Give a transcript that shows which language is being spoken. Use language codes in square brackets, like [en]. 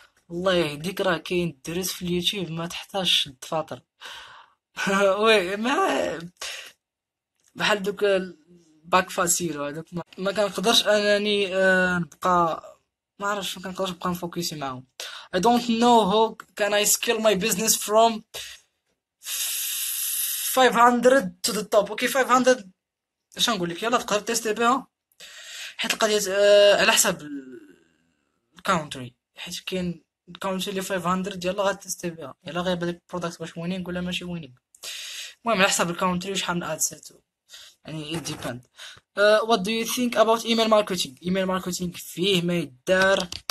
[ar] الله يهديك، راه كاين الدرس في اليوتيوب ما تحتاج تفاطر. وي ما بحال دوك باك فاسيل هذوك، ما كنقدرش انني نبقى، ما عرفتش، ما كنقدرش نبقى نفوكسي معاهم. [en] I don't know how can I scale my business from 500 to the top. [ar] اوكي 500 اش نقول لك، يلا تقدر تيستي بيها حيت القضية على حسب الكونتري، حيت كاين الكونتري اللي 500 يلا غاتيستي بيها، يلا غير بدك البرودكت واش وينينغ ولا ماشي وينينغ. المهم على حسب الكونتري وشحال من اد سيت، يعني [en] it depend. What do you think about email marketing؟ email marketing [ar] فيه ما يدار.